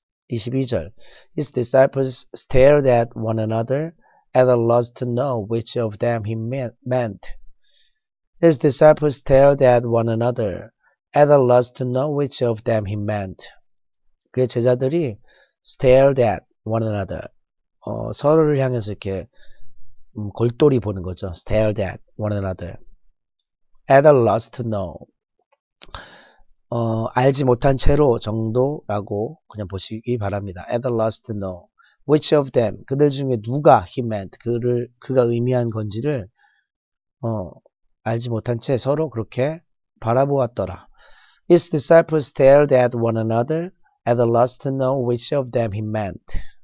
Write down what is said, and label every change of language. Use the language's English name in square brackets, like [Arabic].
[Korean] 22절. [English] His disciples stared at one another at a loss to know which of them he meant. His disciples stared at one another at a loss to know which of them he meant. [Korean] 그의 제자들이 [English] stared at one another. [Korean] 서로를 향해서 이렇게 골똘히 보는 거죠. [English] Stare at one another. At a loss to know. [Korean] 알지 못한 채로 정도라고 그냥 보시기 바랍니다. [English] At a loss to know. Which of them? [Korean] 그들 중에 누가 [English] he meant? [Korean] 그가 의미한 건지를 알지 못한 채 서로 그렇게 바라보았더라. [English] His disciples stared at one another at a loss to know which of them he meant.